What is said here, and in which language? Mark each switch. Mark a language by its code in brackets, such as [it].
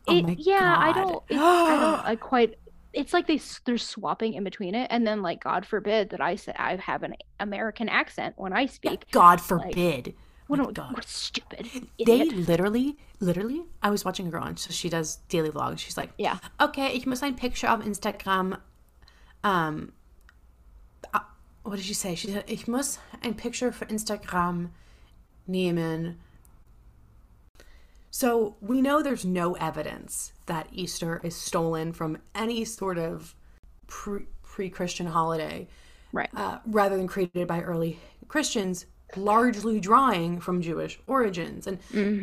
[en] God. I don't quite. It's like they're swapping in between it, and then like God forbid that I have an American accent when I speak. Yeah, God forbid. Like, what stupid idiot. They literally. I was watching a girl, and so she does daily vlogs. She's like, yeah, [de] okay, ich muss ein picture auf Instagram. [en] What did she say? She said, [de] ich muss ein picture für Instagram nehmen. [en] So we know there's no evidence that Easter is stolen from any sort of pre-Christian holiday, right? Rather than created by early Christians, largely drawing from Jewish origins. And mm-hmm.